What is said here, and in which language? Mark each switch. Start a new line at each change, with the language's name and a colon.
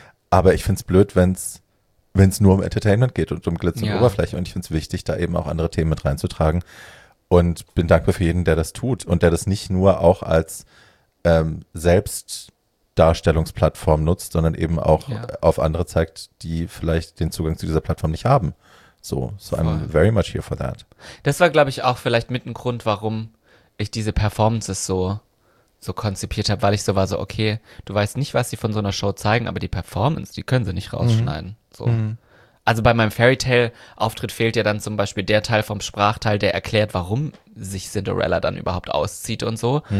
German: Aber ich finde es blöd, wenn es nur um Entertainment geht und um Glitz und Oberfläche. Und ich finde es wichtig, da eben auch andere Themen mit reinzutragen. Und bin dankbar für jeden, der das tut und der das nicht nur auch als Selbstdarstellungsplattform nutzt, sondern eben auch auf andere zeigt, die vielleicht den Zugang zu dieser Plattform nicht haben.
English: So I'm very much here for that.
German: Das war, glaube ich, auch vielleicht mit ein Grund, warum ich diese Performances so konzipiert habe, weil ich so war, so okay, du weißt nicht, was sie von so einer Show zeigen, aber die Performance, die können sie nicht rausschneiden. Mhm. So. Mhm. Also bei meinem Fairytale-Auftritt fehlt ja dann zum Beispiel der Teil vom Sprachteil, der erklärt, warum sich Cinderella dann überhaupt auszieht und so.